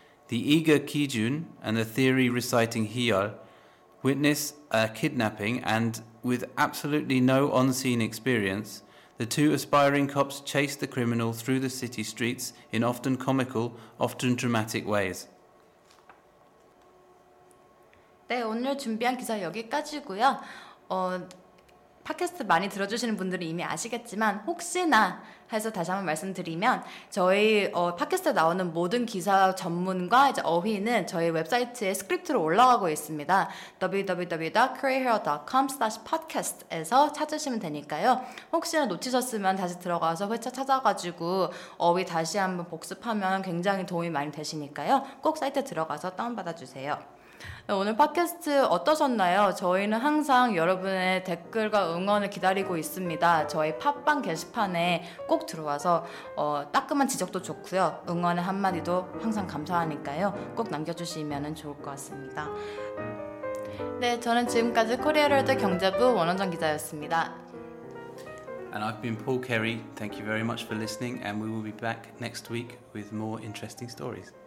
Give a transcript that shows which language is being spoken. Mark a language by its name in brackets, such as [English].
[English] The eager Ki-jun and the theory reciting Hyeol witness a kidnapping, and with absolutely no on-scene experience, the two aspiring cops chase the criminal through the city streets in often comical, often dramatic ways. [Korean] 네, 오늘 준비한 기사 여기까지고요. 팟캐스트 많이 들어주시는 분들은 이미 아시겠지만 혹시나 해서 다시 한번 말씀드리면 저희 팟캐스트에 나오는 모든 기사 전문과 이제 어휘는 저희 웹사이트에 스크립트로 올라가고 있습니다. www.careerhero.com/podcast에서 찾으시면 되니까요. 혹시나 놓치셨으면 다시 들어가서 회차 찾아가지고 어휘 다시 한번 복습하면 굉장히 도움이 많이 되시니까요. 꼭 사이트 들어가서 다운받아주세요. 네, 오늘 팟캐스트 어떠셨나요? 저희는 항상 여러분의 댓글과 응원을 기다리고 있습니다. 저희 팟빵 게시판에 꼭 들어와서 따끔한 지적도 좋고요. 응원의 한마디도 항상 감사하니까요. 꼭 남겨주시면 좋을 것 같습니다. 네, 저는 지금까지 코리아월드 경제부 원원정 기자였습니다. [English] And I've been Paul Carey. Thank you very much for listening. And we will be back next week with more interesting stories.